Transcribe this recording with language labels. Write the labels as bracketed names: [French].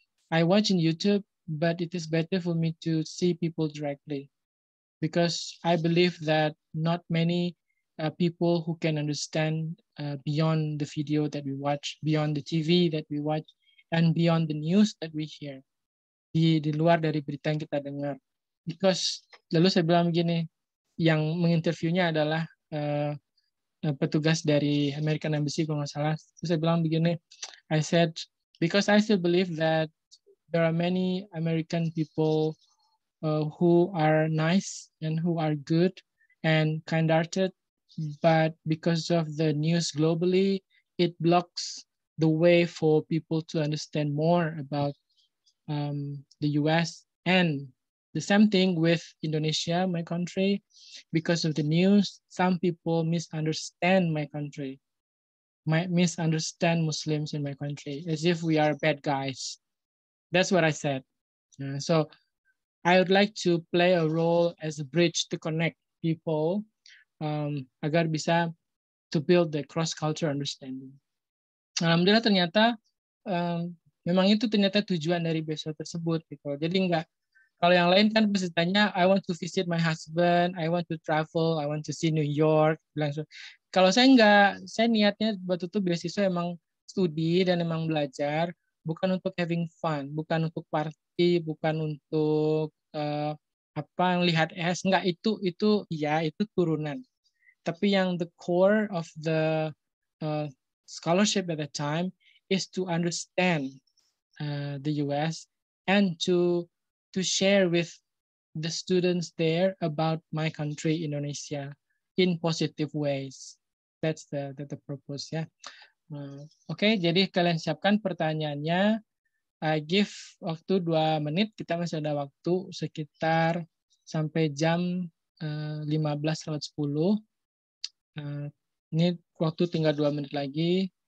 [English] I watch in YouTube, but it is better for me to see people directly because I believe that not many people who can understand beyond the video that we watch, beyond the TV that we watch, and beyond the news that we hear. [Indonesian] Di luar dari berita yang kita dengar. Because, lalu saya bilang begini, yang menginterviewnya adalah petugas dari American Embassy, kalau nggak salah. Terus saya bilang begini, [English] I said, because I still believe that there are many American people who are nice and who are good and kind-hearted, but because of the news globally, it blocks the way for people to understand more about the US. And the same thing with Indonesia, my country. Because of the news, some people misunderstand my country, might misunderstand Muslims in my country as if we are bad guys. That's what I said. So I would like to play a role as a bridge to connect people [Indonesian] agar bisa [English] to build the cross-cultural understanding. [Indonesian] Alhamdulillah ternyata memang itu ternyata tujuan dari beasiswa tersebut gitu. Jadi enggak, kalau yang lain kan pasti tanya, [English] I want to visit my husband, I want to travel, I want to see New York. [Indonesian] Kalau saya enggak, saya niatnya buat itu beasiswa emang studi dan emang belajar, bukan untuk [English] having fun, [Indonesian] bukan untuk party, bukan untuk lihat es. Enggak, itu ya itu turunan. Tapi yang [English] the core of the scholarship at the time is to understand the US and to share with the students there about my country Indonesia in positive ways. That's the purpose, ya. Yeah. [Indonesian] Okay, jadi kalian siapkan pertanyaannya. [English] I give [Indonesian] waktu 2 menit. Kita masih ada waktu sekitar sampai jam 15.10. Ini waktu tinggal 2 menit lagi.